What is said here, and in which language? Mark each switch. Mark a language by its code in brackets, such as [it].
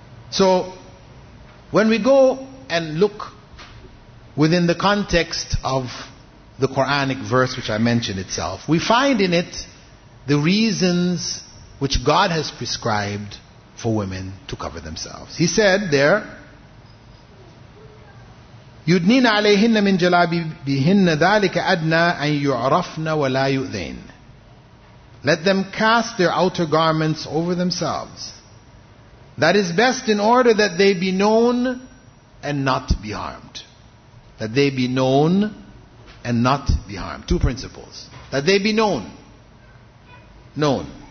[en] So when we go and look within the context of the Quranic verse which I mentioned itself, we find in it the reasons which God has prescribed for women to cover themselves. He said there, [ar] يُدْنِينَ عَلَيْهِنَّ مِنْ جَلَابِبِهِنَّ ذَلِكَ أَدْنَى أَنْ يُعْرَفْنَ وَلَا يُؤْذَيْنَ. [en] Let them cast their outer garments over themselves. That is best in order that they be known and not be harmed. That they be known and not be harmed. Two principles. That they be known. Known.